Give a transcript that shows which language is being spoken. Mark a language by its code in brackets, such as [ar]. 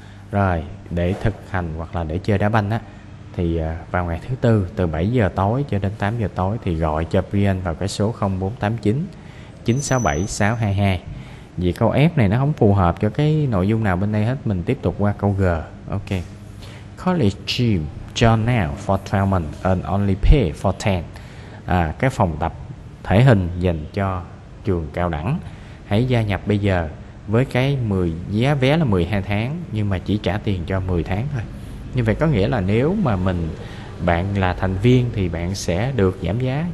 [vi] Rồi để thực hành hoặc là để chơi đá banh á thì vào ngày thứ tư từ 7 giờ tối cho đến 8 giờ tối thì gọi cho Brian vào cái số 0489 967 622. Vì câu F này nó không phù hợp cho cái nội dung nào bên đây hết, mình tiếp tục qua câu G. Ok. [en] College gym, join now for 12 months and only pay for 10. [vi] Cái phòng tập thể hình dành cho trường cao đẳng. Hãy gia nhập bây giờ với cái 10, giá vé là 12 tháng nhưng mà chỉ trả tiền cho 10 tháng thôi. Như vậy có nghĩa là nếu mà bạn là thành viên thì bạn sẽ được giảm giá.